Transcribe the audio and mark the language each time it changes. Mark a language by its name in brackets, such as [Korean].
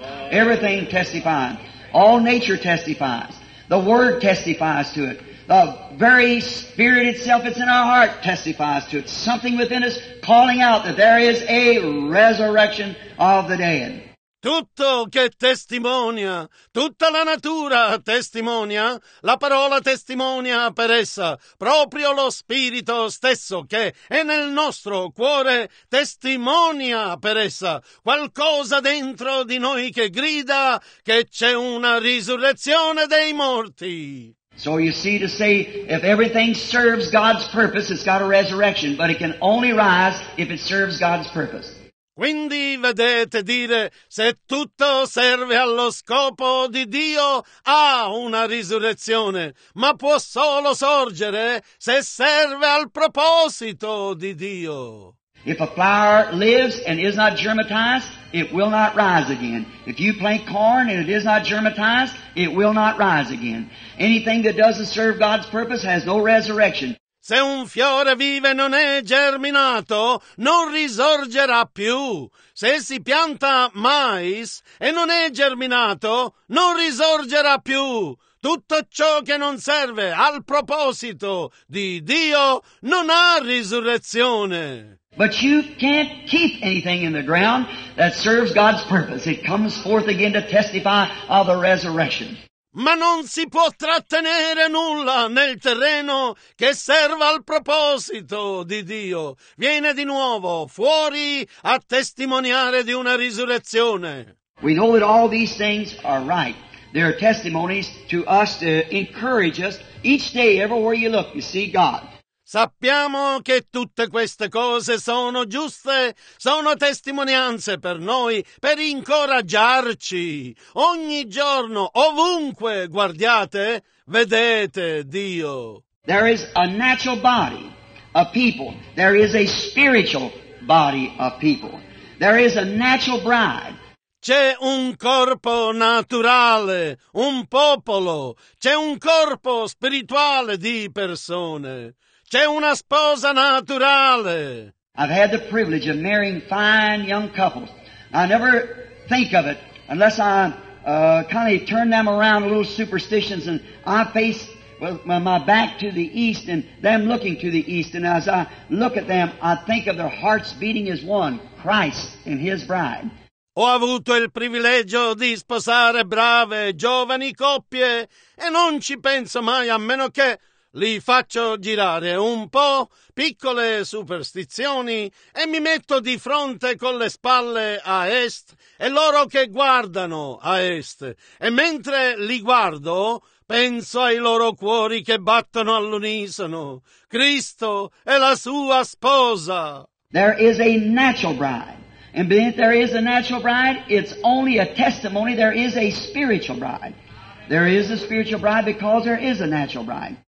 [English] Everything testifies. All nature testifies. The Word testifies to it. The very Spirit itself that's in our heart testifies to it. Something within us calling out that there is a resurrection of the dead. [Italian] Tutto che testimonia, tutta la natura testimonia, la parola testimonia per essa, proprio lo Spirito stesso che è nel nostro cuore testimonia per essa, qualcosa dentro di noi che grida che c'è una risurrezione dei morti. [English] So you see, to say if everything serves God's purpose, it's got a resurrection, but it can only rise if it serves God's purpose. [Italian] Quindi vedete dire, se tutto serve allo scopo di Dio, ha una risurrezione, ma può solo sorgere se serve al proposito di Dio. [English] If a flower lives and is not germinated, it will not rise again. If you plant corn and it is not germinized, it will not rise again. Anything that doesn't serve God's purpose has no resurrection. [Italian] Se un fiore vive non è germinato, non risorgerà più. Se si pianta mais e non è germinato, non risorgerà più. Tutto ciò che non serve al proposito di Dio non ha risurrezione. [English] But you can't keep anything in the ground that serves God's purpose. It comes forth again to testify of the resurrection. [Italian] Ma non si può trattenere nulla nel terreno che serva al proposito di Dio. Viene di nuovo fuori a testimoniare di una risurrezione. [English] We know that all these things are right. They are testimonies to us to encourage us each day, everywhere you look, you see God. [Italian] Sappiamo che tutte queste cose sono giuste, sono testimonianze per noi, per incoraggiarci. Ogni giorno, ovunque guardiate, vedete Dio. [English] There is a natural body of people. There is a spiritual body of people. There is a natural bride. [Italian] C'è un corpo naturale, un popolo. C'è un corpo spirituale di persone. C'è una sposa naturale. [English] I've had the privilege of marrying fine young couples. I never think of it unless I kind of turn them around a little superstitions and I face my back to the east and them looking to the east. And as I look at them, I think of their hearts beating as one, Christ and His bride. [Italian] Ho avuto il privilegio di sposare brave, giovani coppie e non ci penso mai a meno che li faccio girare un po', piccole superstizioni, e mi metto di fronte con le spalle a est e loro che guardano a est. E mentre li guardo, penso ai loro cuori che battono all'unisono. Cristo è la sua sposa. [English] There is a natural bride. And if there is a natural bride, it's only a testimony. There is a spiritual bride. There is a spiritual bride because there is a natural bride.